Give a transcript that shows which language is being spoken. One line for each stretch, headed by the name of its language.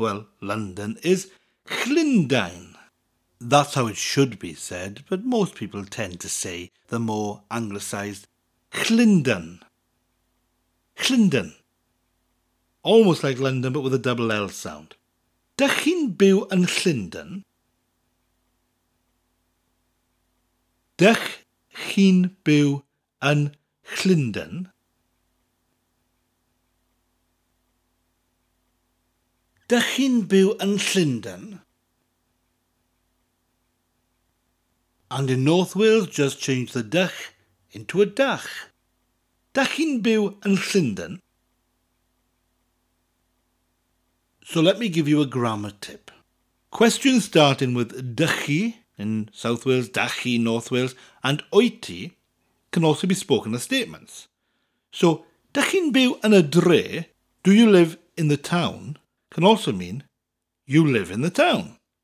English: Well, London is Llundain. That's how it should be said, but most people tend to say the more anglicised Llundain. Llundain. Almost like London, but with a double L sound.
Welsh: Dych chi'n byw yn Llundain? Dych chi'n byw yn Llundain? Dych chi'n byw yn Llundain?
English: And in North Wales, just change the dych into a dach.
Welsh: Dych chi'n byw yn Llundain?
English: So let me give you a grammar tip. Questions starting with dych chi in South Wales, dach chi in North Wales, and wyt ti can also be spoken as statements. So,
Welsh: dych chi'n byw yn y dre,
English: do you live in the town, can also mean you live in the town.